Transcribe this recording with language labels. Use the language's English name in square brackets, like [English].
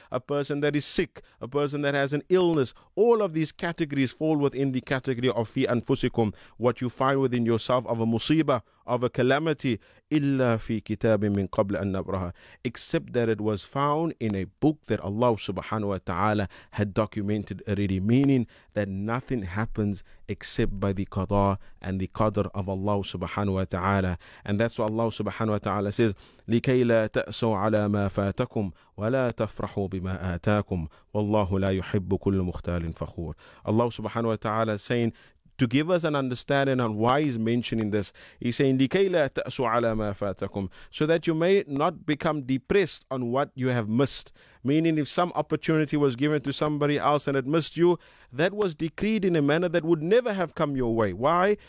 [English] A person that is sick, a person that has an illness. All of these categories fall within the category of fi and fusikum, what you find within yourself of a musiba, of a calamity, [Arabic] illa fi kitabin min qabla an nabraha, [English] except that it was found in a book that Allah subhanahu wa ta'ala had documented already, meaning that nothing happens except by the qada and the qadr of Allah subhanahu wa ta'ala. And that's what Allah subhanahu wa ta'ala says, [Arabic] لِكَيْ لَا تَأْسَوْ عَلَى مَا فَاتَكُمْ وَلَا تَفْرَحُوا بِمَا آتَاكُمْ وَاللَّهُ لَا يُحِبُّ كُلُّ مُخْتَالٍ فَخُورٍ. [English] Allah subhanahu wa ta'ala is saying, to give us an understanding on why he's mentioning this, he's saying, [Arabic] لِكَيْ لَا تَأْسُوا عَلَى مَا فَاتَكُمْ, [English] so that you may not become depressed on what you have missed. Meaning, if some opportunity was given to somebody else and it missed you, that was decreed in a manner that would never have come your way. Why?